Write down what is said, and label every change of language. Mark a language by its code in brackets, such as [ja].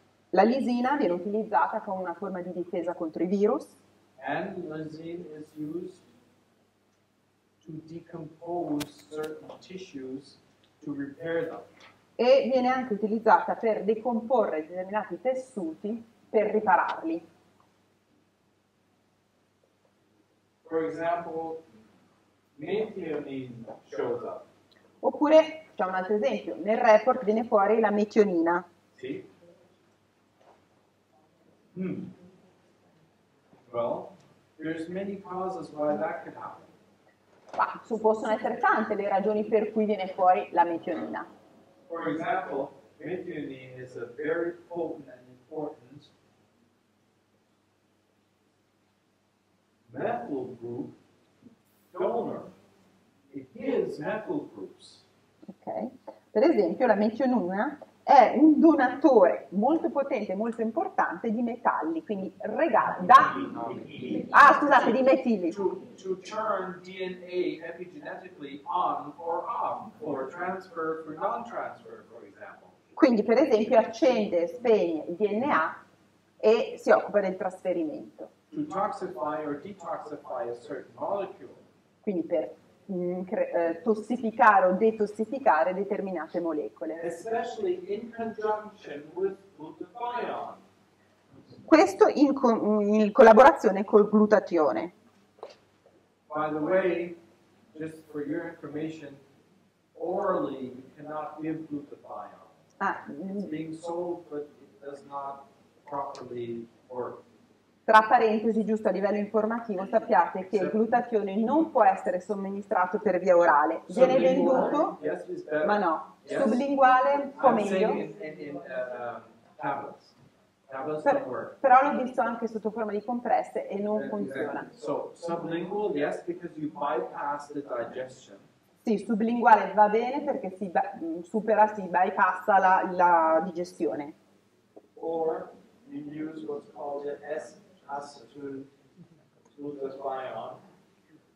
[it] La lisina viene utilizzata come una forma di difesa contro i virus. [en] And lysine is used to decompose certain tissues to repair them. [it] E viene anche utilizzata per decomporre determinati tessuti per ripararli. [en] For example, methionine shows up. [it] Oppure, c'è un altro esempio, nel report viene fuori la metionina. Sì. [en] Well, there's many causes why that can happen. [it] Ma possono essere tante le ragioni per cui viene fuori la metionina. [en] For example, methionine is a very potent and important methyl group donor. It gives methyl groups. Okay. [it] Per esempio, la metionina un donatore molto potente, molto importante di metalli, quindi regala, da... Ah, scusate, di metilli. [en] To turn DNA epigenetically on or off, or transfer for non-transfer, for example. [it] Quindi, per esempio, accende e spegne il DNA e si occupa del trasferimento. [en] To toxify or detoxify a certain molecule. [it] Quindi per tossificare o detossificare determinate molecole. [en] Especially in conjunction with glutathione. [it] Questo in collaborazione col glutatione. [en] By the way, just for your information, orally you cannot give glutathione. Ah. It's being sold, but it does not properly work. [it] Tra parentesi, giusto a livello informativo, sappiate che il glutatione non può essere somministrato per via orale. Viene venduto, Sublinguale, [en] yes, is better. [it] ma no, [en] Yes, [it] sublinguale può [en] I'm saying [it] meglio. [en] in tablets. Tablets don't [it] Però [en] work. [it] l'ho visto anche sotto forma di compresse e non funziona. [en] Exactly. So, sublingual, yes, because you bypass the digestion. [it] Sì, sublinguale va bene perché si supera, si bypassa la digestione. [en] Or you use what's called an S-acetylglutathione, which